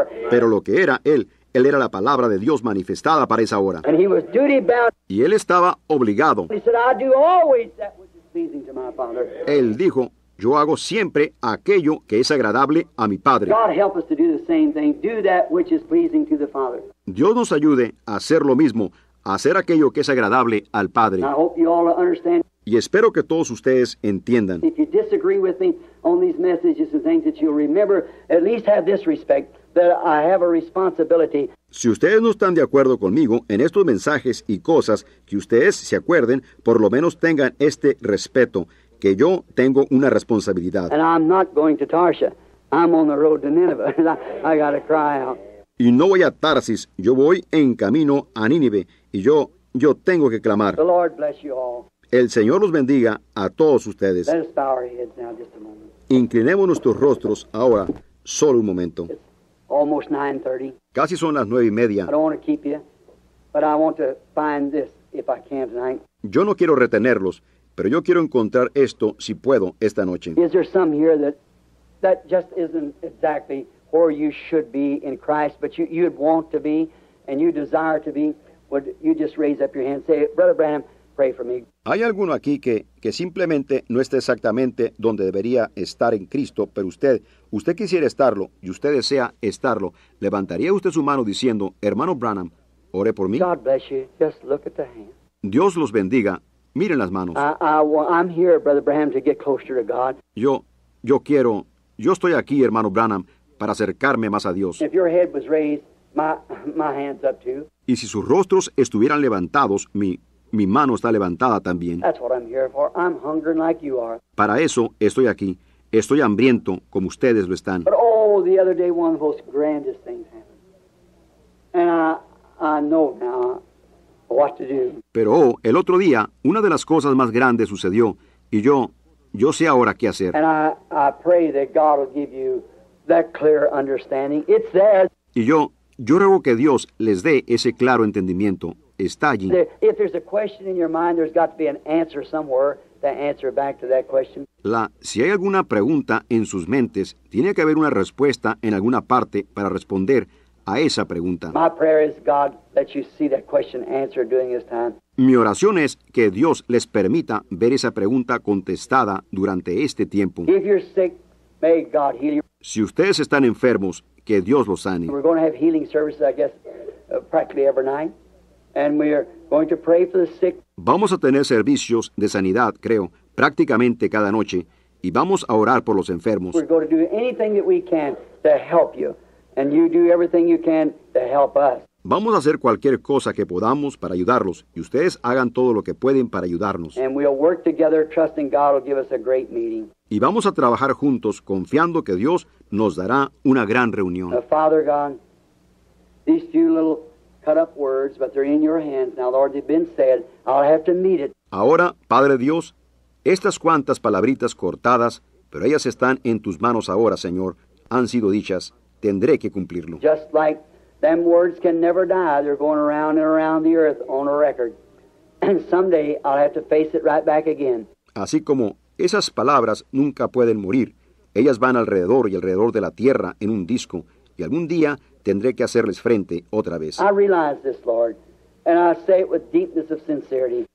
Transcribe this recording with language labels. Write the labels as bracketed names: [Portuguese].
[Spanish] Pero lo que era, él Él era la palabra de Dios manifestada para esa hora. [English] And he was duty-bound. [Spanish] Y él estaba obligado. [English] He said, I do always that which is pleasing to my father. [Spanish] Él dijo, yo hago siempre aquello que es agradable a mi padre. [English] God help us to do the same thing. Do that which is pleasing to the father. [Spanish] Dios nos ayude a hacer lo mismo, a hacer aquello que es agradable al padre. [English] I hope you all understand. [Spanish] Y espero que todos ustedes entiendan. [English] If you disagree with me on these messages and things that you'll remember, at least have this respect. That I have a responsibility. [Spanish] Si ustedes no están de acuerdo conmigo en estos mensajes y cosas, que ustedes se acuerden, por lo menos tengan este respeto, que yo tengo una responsabilidad. [English] And I'm not going to Tarsha. I'm on the road to Nineveh. I gotta cry out. [Spanish] Y no voy a Tarsis. Yo voy en camino a Nínive. Y yo tengo que clamar. [English] The Lord bless you all. [Spanish] El Señor los bendiga a todos ustedes. [English] Let us bow our heads now, just a moment. [Spanish] Inclinemos nuestros rostros ahora, solo un momento. [English] Almost 9:30. [Spanish] Casi son las 9:30. [English] I don't want to keep you, but I want to find this if I can tonight. [Spanish] Yo no quiero retenerlos, pero yo quiero encontrar esto si puedo esta noche. [English] Is there some here that just isn't exactly where you should be in Christ, but you'd want to be and you desire to be? Would you just raise up your hand and say, Brother Branham, pray for me. [Spanish] ¿Hay alguno aquí que simplemente no está exactamente donde debería estar en Cristo, pero usted quisiera estarlo y usted desea estarlo? ¿Levantaría usted su mano diciendo, hermano Branham, ore por mí? [English] God bless you. Just look at the hand. [Spanish] Dios los bendiga. Miren las manos. [English] I'm here, Brother Branham, to get closer to God. [Spanish] Yo estoy aquí, hermano Branham, para acercarme más a Dios. [English] If your head was raised, my hand's up too. [Spanish] Y si sus rostros estuvieran levantados, mi mano está levantada también. [English] That's what I'm here for. I'm hungering like you are. [Spanish] Para eso estoy aquí. Estoy hambriento como ustedes lo están. [English] But oh, the other day one of those grandest things happened. And I know now what to do. [Spanish] Pero el otro día una de las cosas más grandes sucedió y yo sé ahora qué hacer. [English] And I pray that God will give you that clear understanding. It's there. [Spanish] Y yo ruego que Dios les dé ese claro entendimiento. Está allí. [English] If there's a question in your mind, there's got to be an answer somewhere to answer back to that question. [Spanish] Si hay alguna pregunta en sus mentes, tiene que haber una respuesta en alguna parte para responder a esa pregunta. [English] My prayer is God that you see that question answered during this time. [Spanish] Mi oración es que Dios les permita ver esa pregunta contestada durante este tiempo. [English] If you're sick, may God heal you. [Spanish] Si ustedes están enfermos, que Dios los sane. [English] We're going to have healing services, I guess, practically every night. And we are going to pray for the sick. [Spanish] Vamos a tener servicios de sanidad, creo, prácticamente cada noche, y vamos a orar por los enfermos. [English] We're going to do anything that we can to help you, and you do everything you can to help us. [Spanish] Vamos a hacer cualquier cosa que podamos para ayudarlos, y ustedes hagan todo lo que pueden para ayudarnos. [English] And we'll work together, trusting God will give us a great meeting. [Spanish] Y vamos a trabajar juntos, confiando que Dios nos dará una gran reunión. [English] Now, Father God, these two little cut up words, but they're in your hands. Now, Lord, they've been said. I'll have to meet it. [Spanish] Ahora, Padre Dios, estas cuantas palabritas cortadas, pero ellas están en tus manos ahora, Señor, han sido dichas. Tendré que cumplirlo. [English] Just like them words can never die, they're going around and around the earth on a record. And someday, I'll have to face it right back again. [Spanish] Así como esas palabras nunca pueden morir, ellas van alrededor y alrededor de la tierra en un disco, y algún día tendré que hacerles frente otra vez. [English] I realize this, Lord, and I say it with deepness of sincerity.